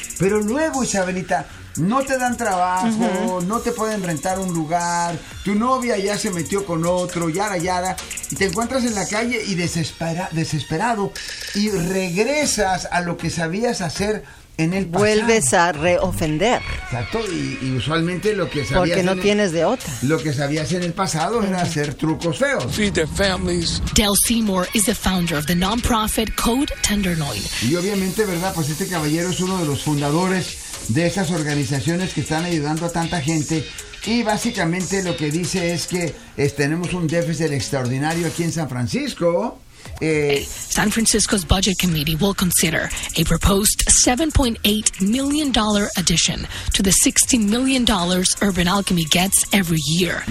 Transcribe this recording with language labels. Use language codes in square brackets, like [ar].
[es] Pero luego, Isabelita, no te dan trabajo, uh-huh, no te pueden rentar un lugar, tu novia ya se metió con otro, yara, yara, y te encuentras en la calle y desesperado, y regresas a lo que sabías hacer en el pasado. Vuelves a reofender. Exacto, y usualmente lo que sabías... Porque no tienes de otra. Lo que sabías en el pasado era hacer trucos feos. [en] Feed their families. Del Seymour is the founder of the non-profit Code Tenderloin. [es] Y obviamente, ¿verdad? Pues este caballero es uno de los fundadores de esas organizaciones que están ayudando a tanta gente. Y básicamente lo que dice es que tenemos un déficit extraordinario aquí en San Francisco... [en] San Francisco's budget committee will consider a proposed $7.8 million addition to the $60 million Urban Alchemy gets every year.